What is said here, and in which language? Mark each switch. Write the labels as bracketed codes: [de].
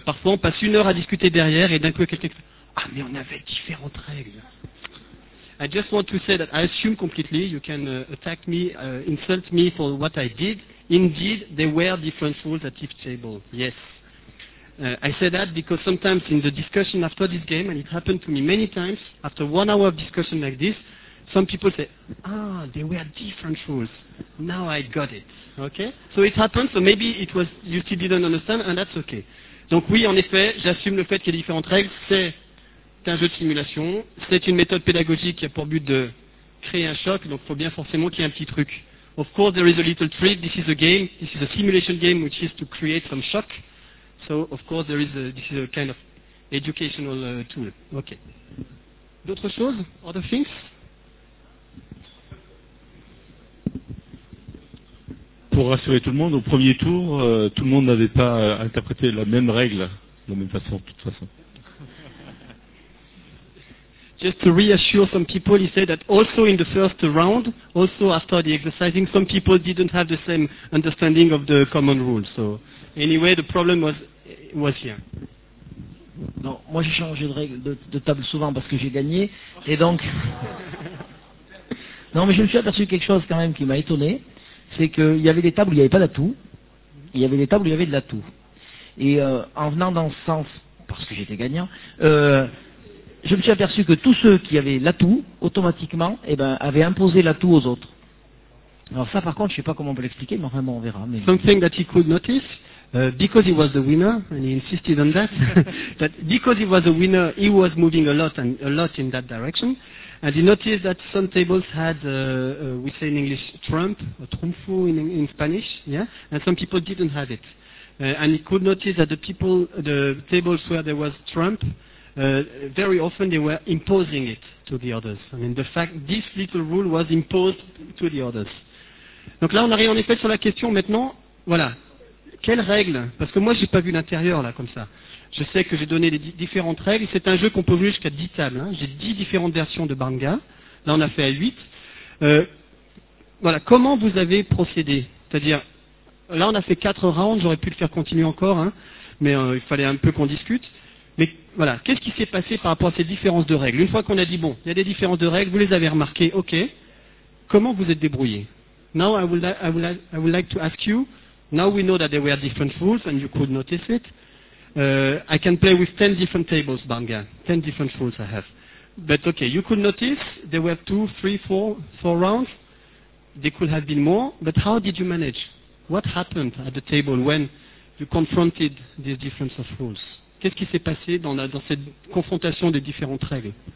[fr] Parfois, on passe une heure à discuter derrière, et d'un coup, quelqu'un fait « Ah, mais on avait différentes règles !» [en] I just want to say that I assume completely, you can attack me, insult me for what I did. Indeed, there were different rules at each table, yes. I say that because sometimes in the discussion after this game, and it happened to me many times, after 1 hour of discussion like this, some people say, ah, there were different rules. Now I got it. Okay? So it happened, so maybe it was you still didn't understand, and that's okay. [fr] Donc oui, en effet, j'assume le fait qu'il y ait différentes règles. C'est un jeu de simulation. C'est une méthode pédagogique qui a pour but de créer un choc, donc il faut bien forcément qu'il y ait un petit truc. [en] Of course, there is a little trick. This is a game. This is a simulation game, which is to create some shock. So, of course, there is a, this is a kind of educational tool. [fr] Okay. D'autres choses? [en] Other things? [fr] Pour rassurer tout le monde, au premier tour, tout le monde n'avait pas interprété la même règle de la même façon, de toute façon. [en] Just to reassure some people, he said that also in the first round, also after the exercising, some people didn't have the same understanding of the common rules. So, anyway, the problem was here. [fr] Non, moi j'ai changé de règle de table souvent parce que j'ai gagné, et donc... Non, mais je me suis aperçu quelque chose quand même qui m'a étonné, c'est qu'il y avait des tables où il n'y avait pas d'atout, il y avait des tables où il y avait de l'atout. Et en venant dans ce sens, parce que j'étais gagnant, je me suis aperçu que tous ceux qui avaient l'atout, automatiquement, eh ben, avaient imposé l'atout aux autres. Alors ça, par contre, je ne sais pas comment on peut l'expliquer, mais enfin, bon, on verra. Mais... [en] Something that he could notice, because he was the winner, and he insisted on that, that because he was a winner, he was moving a lot, and a lot in that direction, and he noticed that some tables had, we say in English, trump, or trumfu in Spanish, yeah, and some people didn't have it. And he could notice that the people, the tables where there was trump, very often they were imposing it to the others. I mean, the fact this little rule was imposed to the others. [fr] Donc là, on arrive en effet sur la question maintenant, voilà, quelles règles? Parce que moi, je n'ai pas vu l'intérieur, là, comme ça. Je sais que j'ai donné les différentes règles. C'est un jeu qu'on peut jouer jusqu'à 10 tables. Hein. J'ai 10 différentes versions de Barnga. Là, on a fait à 8. Voilà, comment vous avez procédé? C'est-à-dire, là, on a fait 4 rounds, j'aurais pu le faire continuer encore, hein, mais il fallait un peu qu'on discute. Mais voilà, qu'est-ce qui s'est passé par rapport à ces différences de règles? Une fois qu'on a dit, bon, il y a des différences de règles, vous les avez remarquées, ok. Comment vous êtes débrouillé? [en] Now, I would like to ask you, now we know that there were different rules and you could notice it. I can play with 10 different tables, Barnga. 10 different rules I have. But okay, you could notice there were 2, 3, 4 rounds. There could have been more. But how did you manage? What happened at the table when you confronted this difference of rules? [fr] Qu'est-ce qui s'est passé dans cette confrontation des différentes règles?